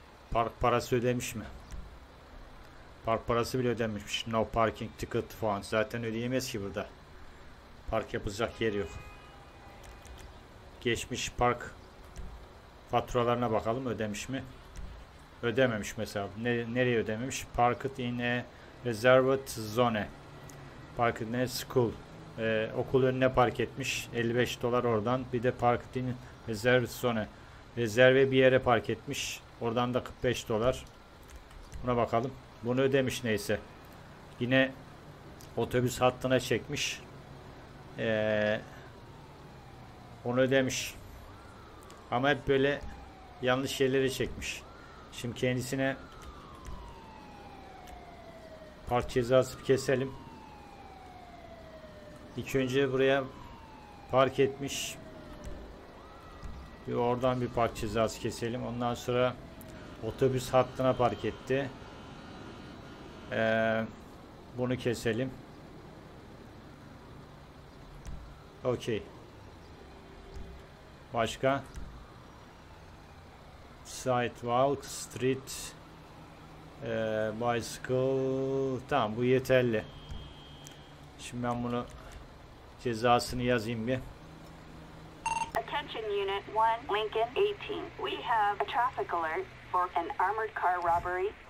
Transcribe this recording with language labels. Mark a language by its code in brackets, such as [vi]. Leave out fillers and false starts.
[tr] Park parası ödemiş mi? Park parası bile ödenmiş. [en] No parking ticket [tr] falan. Zaten ödeyemez ki burada. Park yapılacak yer yok. Geçmiş park faturalarına bakalım, ödemiş mi? Ödememiş mesela. Nereye ödememiş? [en] Parked in a reserved zone. Parked in a school. [tr] Okul önüne park etmiş. 55 dolar oradan. Bir de [en] parked in reserved zone. [tr] Rezerve bir yere park etmiş. Oradan da 45 dolar. Buna bakalım. Bunu ödemiş neyse. Yine otobüs hattına çekmiş. Onu ödemiş. Ama hep böyle yanlış yerlere çekmiş. Şimdi kendisine park cezası keselim. İlk önce buraya park etmiş. Bir oradan bir park cezası keselim. Ondan sonra otobüs hattına park etti. Bunu keselim. Okey. Başka. [en] Sidewalk, street, bicycle. [tr] Tamam, bu yeterli. Şimdi ben bunu cezasını yazayım bir. [en] Attention unit 1, Lincoln 18. We have a traffic alert for an armored car robbery.